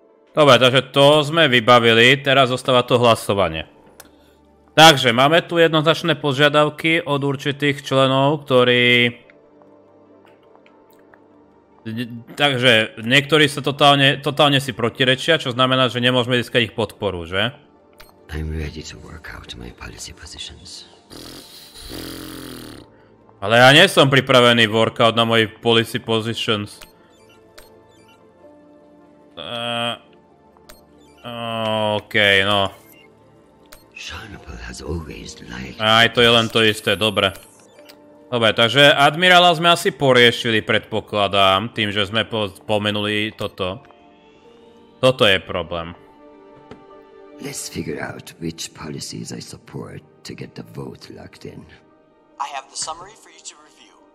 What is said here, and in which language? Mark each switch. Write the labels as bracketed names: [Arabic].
[Slovak] Dobre, takže to sme vybavili, teraz zostáva to hlasovanie. Takže, máme tu jednoznačné požiadavky od určitých členov, ktorí... Takže, niektorí sa totálne si protirečia, čo znamená, že nemôžeme získať ich podporu, že? [English] I'm ready to work out my policy positions. [Slovak] Ale ja nie som pripravený [English] work out [Slovak] na mojich [English] policy positions. [Slovak] Okej, no. [English] Sharnable has always liked. [Slovak] Aj to je len to isté, dobre. Dobre, takže admirála sme asi poriešili, predpokladám, tým, že sme spomenuli toto. Toto je problém. [English] Let's figure out which policies I support to get the vote locked in. I have the summary for you to review.